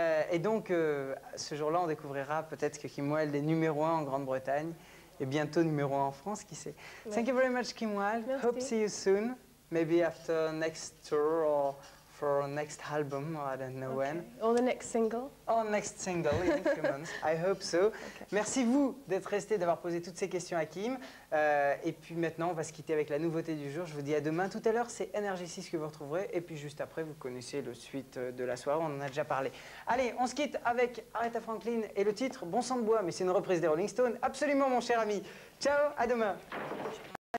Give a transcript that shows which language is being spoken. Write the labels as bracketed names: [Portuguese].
[French] Et donc, ce jour-là, on découvrira peut-être que Kim Wilde est numéro 1 en Grande-Bretagne et bientôt numéro 1 en France, qui sait. [English] Oui. Thank you very much, Kim Wilde. [French] Merci. [English] Hope to see you soon. Maybe after next tour or for our next album, or I don't know when. Or the next single. Or next single, in a few months, I hope so. Okay. [French] Merci vous d'être resté, d'avoir posé toutes ces questions à Kim. Et puis maintenant, on va se quitter avec la nouveauté du jour. Je vous dis à demain. Tout à l'heure, c'est NRJ6 que vous retrouverez. Et puis juste après, vous connaissez le suite de la soirée, on en a déjà parlé. Allez, on se quitte avec Aretha Franklin et le titre Bon sang de bois, mais c'est une reprise des Rolling Stones. Absolument, mon cher ami. Ciao, à demain.